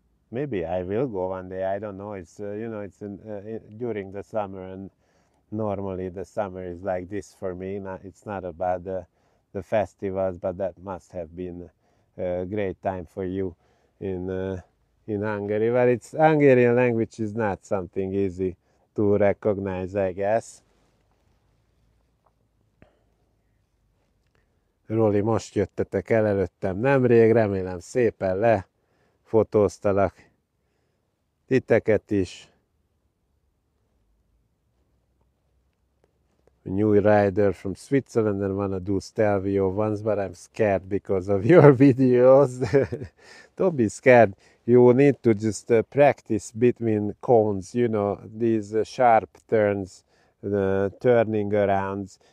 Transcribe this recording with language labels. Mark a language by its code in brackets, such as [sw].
[en] Maybe I will go one day. I don't know. It's you know, it's in during the summer, and normally the summer is like this for me. It's not about the festivals, but that must have been a great time for you in Hungary. But it's Hungarian language is not something easy to recognize, I guess. [hu] Roli, most jöttetek el előttem nemrég, remélem szépen lefotóztalak titeket is. [en] A new rider from Switzerland and wanna do Stelvio ones, but I'm scared because of your videos. Don't be scared. You need to just practice between cones, you know, these sharp turns, the turning arounds.